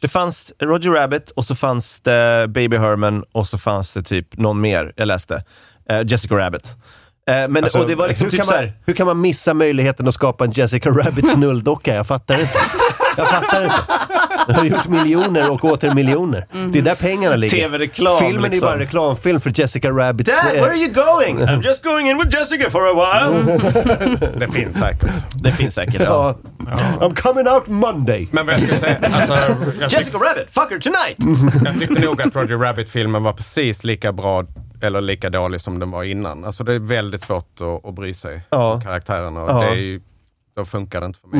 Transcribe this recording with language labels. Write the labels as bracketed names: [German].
[Swedish] Det fanns Roger Rabbit och så fanns det Baby Herman och så fanns det typ någon mer jag läste. Jessica Rabbit. Men alltså, och det var liksom typ man, så här, hur kan man missa möjligheten att skapa en Jessica Rabbit knulldocka? Jag fattar inte. Jag har gjort miljoner och åter miljoner. Mm. Det är där pengarna ligger. TV-reklam. Filmen liksom. Är bara reklamfilm för Jessica Rabbit. [English] Dad, where are you going? I'm just going in with Jessica for a while. [Swedish] Det finns säkert. Det finns säkert, ja. [English] I'm coming out Monday. [Swedish] Men vad jag ska säga, alltså, [English] Jessica Rabbit, fuck her tonight! [Swedish] Jag tyckte nog att Roger Rabbit-filmen var precis lika bra eller lika dålig som den var innan. Alltså det är väldigt svårt att bry sig om karaktärerna. Ja. Det är ju... Då funkar det inte för mig.